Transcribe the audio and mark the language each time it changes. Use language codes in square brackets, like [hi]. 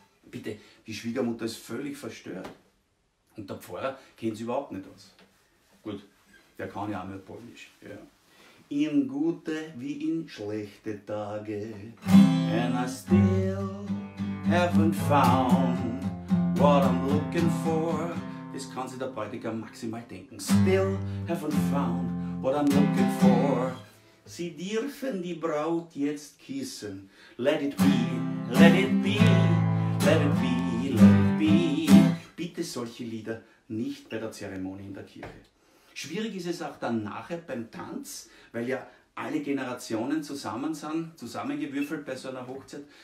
[de] Bitte, die Schwiegermutter ist völlig verstört. Und der Pfarrer kennt sie überhaupt nicht aus. Gut, der kann ja auch nicht Polnisch. Ja. In gute wie in schlechte Tage. [en] And I still haven't found what I'm looking for. [de] Das kann sich der Bräutigam maximal denken. [en] Still haven't found what I'm looking for. [de] Sie dürfen die Braut jetzt küssen. [en] Let it be, let it be, let it be, let it be. [de] Bitte solche Lieder nicht bei der Zeremonie in der Kirche. Schwierig ist es auch dann nachher beim Tanz, weil ja alle Generationen zusammen sind, zusammengewürfelt bei so einer Hochzeit.